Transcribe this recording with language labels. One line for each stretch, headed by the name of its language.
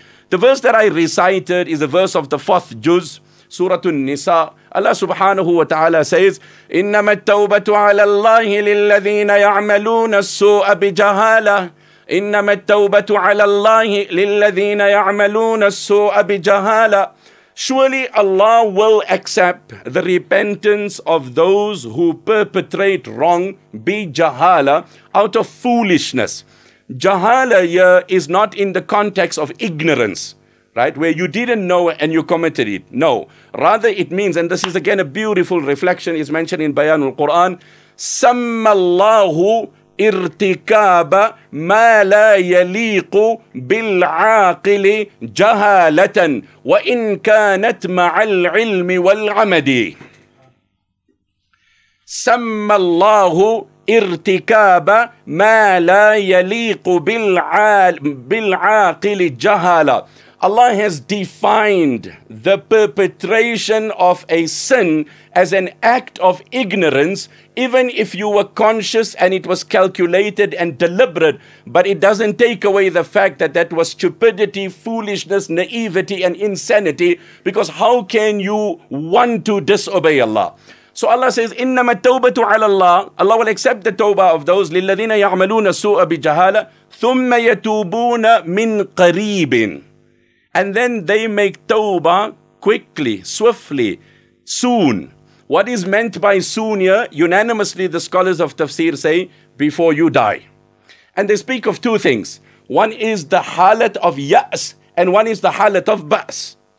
English: The verse that I recited is a verse of the fourth juz, Surah An-Nisa. Allah subhanahu wa ta'ala says,
Arabic: إِنَّمَا التَّوْبَةُ عَلَى اللَّهِ لِلَّذِينَ يَعْمَلُونَ السُّوءَ بِجَهَالَةٍ إِنَّمَا التَّوْبَةُ عَلَى اللَّهِ لِلَّذِينَ يَعْمَلُونَ السُّوءَ بِجَهَالَةٍ.
English: Surely Allah will accept the repentance of those who perpetrate wrong, bijahala, out of foolishness. Jahala here is not in the context of ignorance, right? Where you didn't know and you committed it. No. Rather it means, and this is again a beautiful reflection, is mentioned in Bayanul Quran,
Arabic: سَمَّ اللَّهُ إِرْتِكَابَ مَا لَا يَلِيقُ بِالْعَاقِلِ جَهَالَةً وَإِنْ كَانَتْ مَعَ الْعِلْمِ وَالْعَمَدِ. سَمَّ اللَّهُ ارتكاب ما لا يليق بالعاقل جهالا.
English: Allah has defined the perpetration of a sin as an act of ignorance, even if you were conscious and it was calculated and deliberate, but it doesn't take away the fact that that was stupidity, foolishness, naivety, and insanity, because how can you want to disobey Allah? So Allah says,
Arabic: إِنَّمَا التَّوْبَةُ عَلَى اللَّهِ.
English: Allah will accept the tawbah of those
Arabic: لِلَّذِينَ يَعْمَلُونَ السُّوءَ بِجَهَالَةٍ ثُمَّ يَتُوبُونَ مِنْ قَرِيبٍ.
English: And then they make tawbah quickly, swiftly, soon. What is meant by soon here? Unanimously, the scholars of tafsir say, before you die. And they speak of two things. One is the halat of ya's, and one is the halat of ba's.